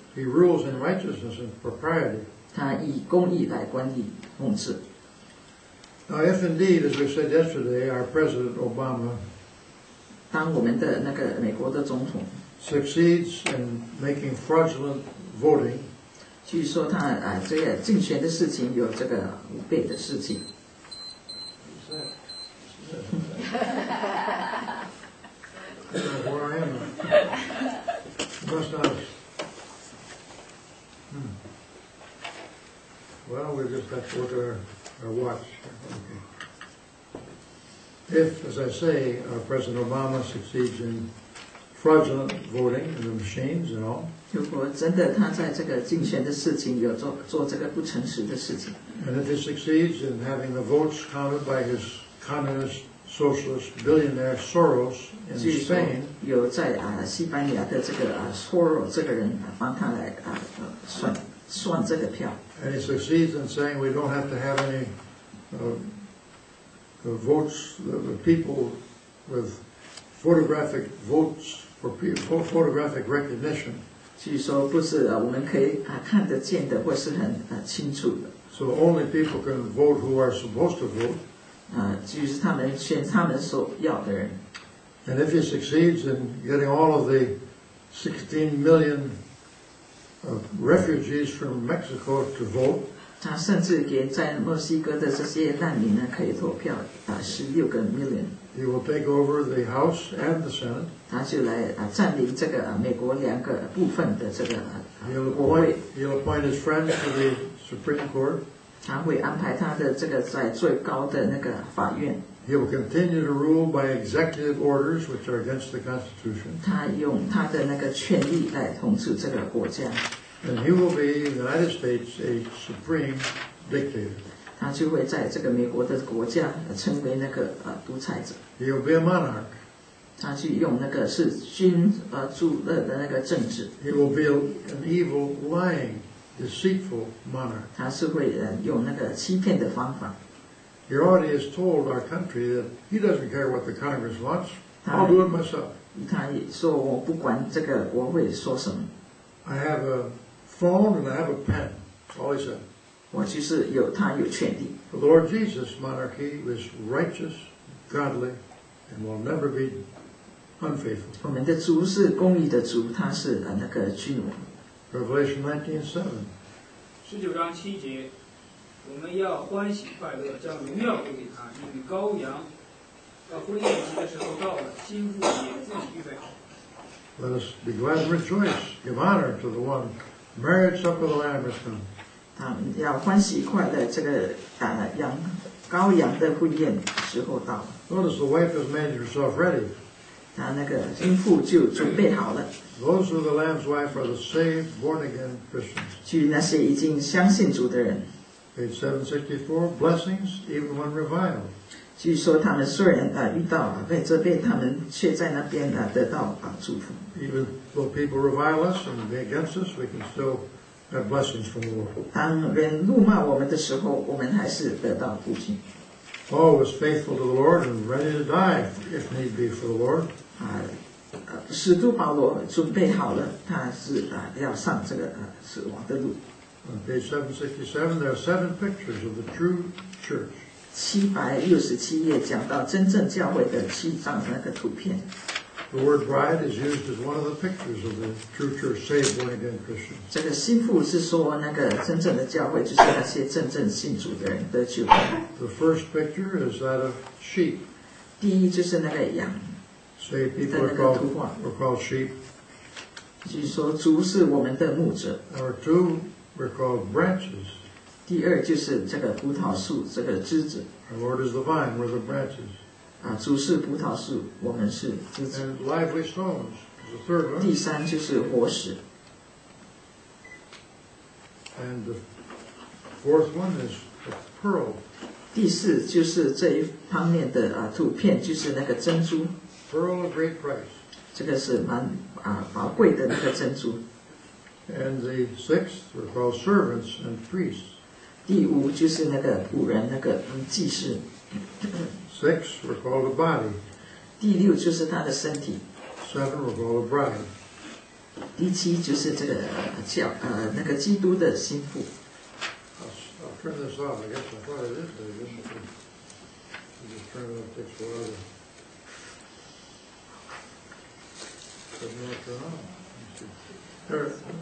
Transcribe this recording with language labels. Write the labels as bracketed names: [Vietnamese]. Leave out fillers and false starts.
[English] He rules in righteousness and propriety. [Chinese] 他以公义来管理统治。 [English] Now, if indeed, as we said yesterday, our President Obama. [Chinese] 当我们的那个美国的总统。 [English] Succeeds in making fraudulent voting. [Chinese] 据说他这个竞选的事情有这个舞弊的事情。 [English] Where am I? Must not. Well, we just have to look at our watch. Okay. If, as I say, President Obama succeeds in. Fraudulent voting and the machines and all. [Chinese] 如果真的他在这个竞选的事情有做这个不诚实的事情。 [English] And if he succeeds in having the votes counted by his communist, socialist, billionaire Soros in Spain. [Chinese] 有在西班牙的这个Soros 这个人帮他来算这个票。 [English] And he succeeds in saying we don't have to have any the votes, the people with photographic votes. Or photographic recognition. [Chinese] 据说不是我们可以看得见的，或是很清楚的。 [English] So only people can vote who are supposed to vote. [Chinese] 至于是他们选他们所要的人。 [English] And if he succeeds in getting all of the 16 million of refugees from Mexico to vote, [Chinese] 他甚至给在墨西哥的这些难民呢可以投票，16个 million。 [English] He will take over the House and the Senate. [Chinese] 他就来占领这个美国两个部分的这个国会。 [English] He'll appoint his friends to the Supreme Court. [Chinese] 他会安排他的这个在最高的那个法院。 [English] He will continue to rule by executive orders, which are against the Constitution. [Chinese] 他用他的那个权力来统治这个国家。 [English] And he will be in the United States a supreme dictator. [Chinese] 他就会在这个美国的国家成为那个独裁者。 [English] He will be a monarch. [Chinese] 他去用那个是君主的那个政治。 [English] He will be an evil, lying, deceitful monarch. [Chinese] 他是会用那个欺骗的方法。 [English] He already has told our country that he doesn't care what the Congress wants. I'll do it myself. [Chinese] 他说我不管这个国会说什么。 [English] I have a phone and I have a pen. That's all he said. [Chinese] 我其实有他有权利。 [English] The Lord Jesus' monarchy was righteous, godly, and will never be unfaithful. [Chinese] 我们的主是公义的主，他是那个君王。 [English] Revelation 19:7. [Chinese] 十九章七节。我们要欢喜快乐，将荣耀归给他，因为羔羊要婚宴席的时候到了，心腹也自己预备好。 [English] Let us be glad and rejoice, give honor to the one. Marriage supper of the Lamb has come. [Chinese] 他们要欢喜快乐，这个羔羊的婚宴时候到了。 [English] Notice the wife has made herself ready. [Chinese] 他那个心腹就准备好了。 [English] Those who are the Lamb's wife are the saved, born again Christians. [Chinese] 去那些已经相信主的人。 [English] Page 764, blessings even when reviled. [Chinese] 据说他们虽然遇到被责备，他们却在那边得到祝福。 [English] Even though people revile us and be against us, we can still have blessings from the Lord. [Chinese] 当人怒骂我们的时候，我们还是得到福气。 [English] Paul was faithful to the Lord and ready to die if need be for the Lord. [Chinese] 使徒保罗准备好了，他是要上这个死亡的路。 [English] On page 767, there are seven pictures of the true church. [Chinese] 767页讲到真正教会的七张那个图片。 [English] The word bride is used as one of the pictures of the true church, saved born again Christians. [Chinese] 这个心腹是说那个真正的教会就是那些真正信主的人得救。 [English] The first picture is that of sheep. [Chinese] 第一就是那个羊。 [English] Saved people are called, sheep. [Chinese] 就是说主是我们的牧者。 [English] Number two,We're called branches. [Chinese] 第二就是这个葡萄树，这个枝子。 [English] Our Lord is the vine, we're the branches. [Chinese] 主是葡萄树，我们是枝子。 [English] And lively stones is the third one. [Chinese] 第三就是活石。 [English] And the fourth one is a pearl. [Chinese] 第四就是这一方面的图片，就是那个珍珠。 [English] Pearl of great price. [Chinese] 这个是蛮宝贵的那个珍珠。 [English] And the sixth were called servants and priests. [Chinese] 第五就是那个仆人，那个祭司。 [English] Six were called a body. [Chinese] 第六就是他的身体。 [English] Seven were called a bride. [Chinese] 第七就是这个叫那个基督的心腹。 [English] I'll turn this off. I guess I thought it is, but I guess I'll just turn it off. It takes a while. Doesn't that turn on? There it is.